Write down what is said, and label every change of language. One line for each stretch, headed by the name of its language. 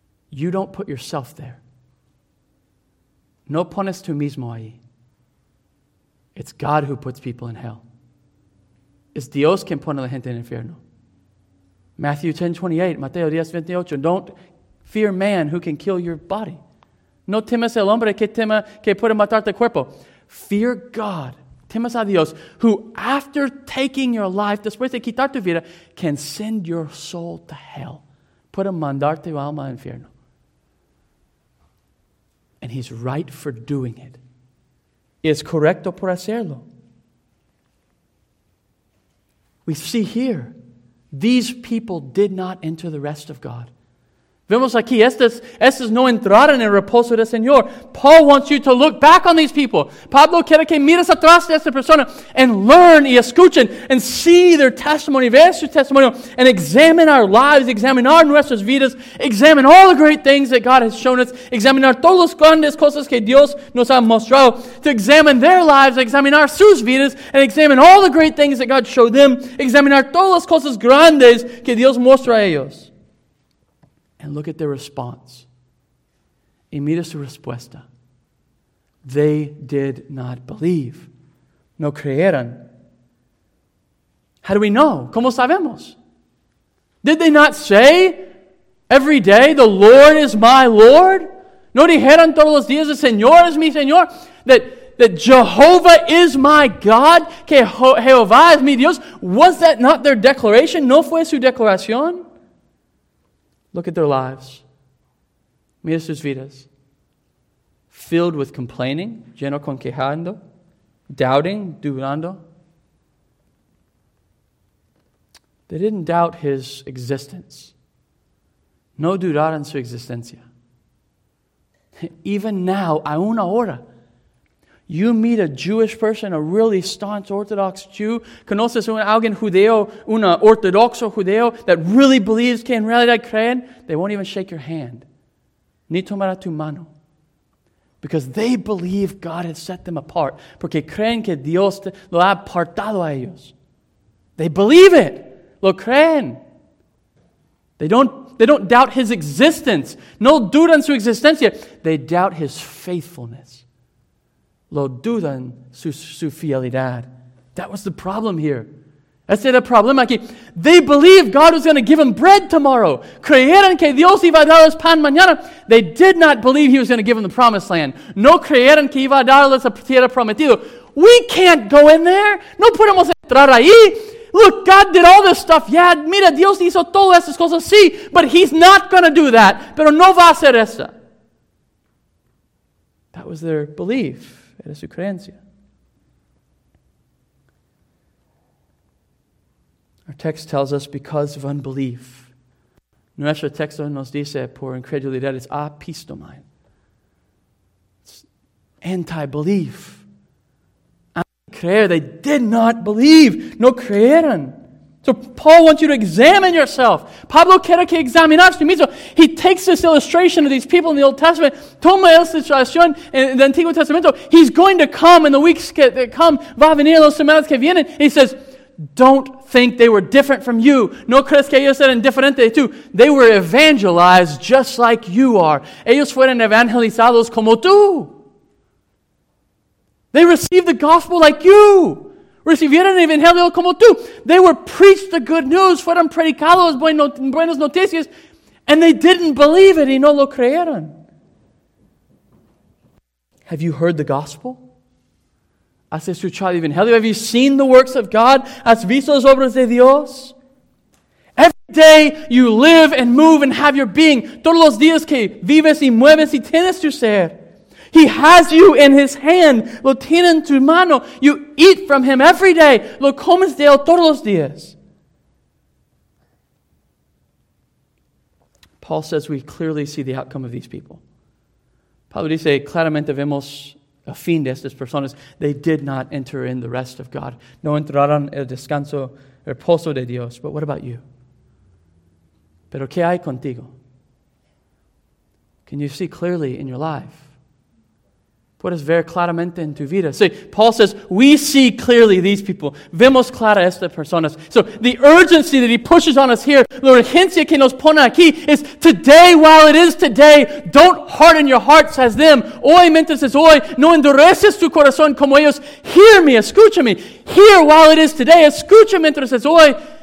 English: You don't put yourself there.
Spanish: No pones tú mismo ahí.
English: It's God who puts people in hell.
Spanish: Es Dios quien pone a la gente en el infierno.
English: Matthew 10:28, Mateo 10:28. Don't fear man who can kill your body.
Spanish: No temas el hombre que tema que puede matar tu cuerpo.
English: Fear God.
Spanish: Temas a Dios
English: who, after taking your life,
Spanish: después de quitar tu vida,
English: can send your soul to hell.
Spanish: Puede mandar tu alma al infierno.
English: And he's right for doing it.
Spanish: Es correcto por hacerlo.
English: We see here, these people did not enter the rest of God.
Spanish: Vemos aquí, estos no entraron en el reposo del Señor.
English: Paul wants you to look back on these people.
Spanish: Pablo quiere que mires atrás de esta persona
English: and learn
Spanish: y escuchen
English: and see their testimony,
Spanish: ver su testimonio
English: and examine our lives, examine our
Spanish: nuestras vidas,
English: examine all the great things that God has shown us,
Spanish: examine todas las grandes cosas que Dios nos ha mostrado,
English: to examine their lives, examine our
Spanish: sus vidas
English: and examine all the great things that God showed them,
Spanish: examine todas las cosas grandes que Dios mostró a ellos.
English: And look at their response.
Spanish: Y mira su respuesta.
English: They did not believe.
Spanish: No creyeron.
English: How do we know?
Spanish: ¿Cómo sabemos?
English: Did they not say every day, the Lord is my Lord?
Spanish: ¿No dijeron todos los días, el Señor es mi Señor?
English: That that Jehovah is my God,
Spanish: que Jehová es mi Dios,
English: was that not their declaration?
Spanish: ¿No fue su declaración?
English: Look at their lives.
Spanish: Mira sus vidas.
English: Filled with complaining,
Spanish: lleno con quejando,
English: doubting,
Spanish: dudando.
English: They didn't doubt his existence.
Spanish: No dudaron su existencia.
English: Even now,
Spanish: a una hora,
English: you meet a Jewish person, a really staunch Orthodox Jew,
Spanish: conoces a alguien judeo, un ortodoxo judeo,
English: that really believes
Spanish: que en realidad creen,
English: they won't even shake your hand.
Spanish: Ni tomará tu mano.
English: Because they believe God has set them apart.
Spanish: Porque creen que Dios lo ha apartado a ellos.
English: They believe it.
Spanish: Lo creen.
English: They don't doubt his existence.
Spanish: No dudan su existencia.
English: They doubt his faithfulness.
Spanish: Lo dudan su fidelidad.
English: That was the problem here.
Spanish: Ese era el problema aquí.
English: They believed God was going to give them bread tomorrow.
Spanish: Creyeron que Dios iba a darles pan mañana.
English: They did not believe he was going to give them the promised land.
Spanish: No creyeron que iba a darles la tierra prometida.
English: We can't go in there.
Spanish: No podemos entrar ahí.
English: Look, God did all this stuff. Yeah,
Spanish: mira, Dios hizo todas estas cosas. Sí,
English: but he's not going to do that.
Spanish: Pero no va a hacer eso.
English: That was their belief.
Spanish: Era su creencia.
English: Our text tells us because of unbelief.
Spanish: Nuestro texto nos dice por incredulidad.
English: It's apistomine. It's anti-belief. Creer. They did not believe.
Spanish: No creyeron.
English: So Paul wants you to examine yourself.
Spanish: Pablo quiere que examinas tú mismo.
English: He takes this illustration of these people in the Old Testament.
Spanish: Toma esta situación en el Antiguo Testamento.
English: He's going to come in the weeks that come.
Spanish: Va a venir los semanas que vienen.
English: He says, don't think they were different from you.
Spanish: No crees que ellos eran diferentes de tú.
English: They were evangelized just like you are.
Spanish: Ellos fueron evangelizados como tú.
English: They received the gospel like you.
Spanish: Recibieron el evangelio como tú.
English: They were preached the good news.
Spanish: Fueron predicados buenas noticias.
English: And they didn't believe it.
Spanish: Y no lo creyeron.
English: Have you heard the gospel?
Spanish: ¿Has escuchado el evangelio?
English: Have you seen the works of God?
Spanish: ¿Has visto las obras de Dios?
English: Every day you live and move and have your being.
Spanish: Todos los días que vives y mueves y tienes tu ser.
English: He has you in his hand.
Spanish: Lo tiene en tu mano.
English: You eat from him every day.
Spanish: Lo comes de él todos los días.
English: Paul says we clearly see the outcome of these people.
Spanish: Pablo dice, claramente vemos el fin de estas personas.
English: They did not enter in the rest of God.
Spanish: No entraron el descanso, el reposo de Dios.
English: But what about you?
Spanish: Pero ¿qué hay contigo?
English: Can you see clearly in your life?
Spanish: Puedes ver claramente en tu vida.
English: See, Paul says, we see clearly these people.
Spanish: Vemos clara estas personas.
English: So the urgency that he pushes on us here,
Spanish: la urgencia que nos pone aquí,
English: is today while it is today, don't harden your hearts as them.
Spanish: Hoy mientras es hoy, no endureces tu corazón como ellos.
English: Hear me,
Spanish: escúchame.
English: Hear while it is today,
Spanish: escucha mientras es hoy.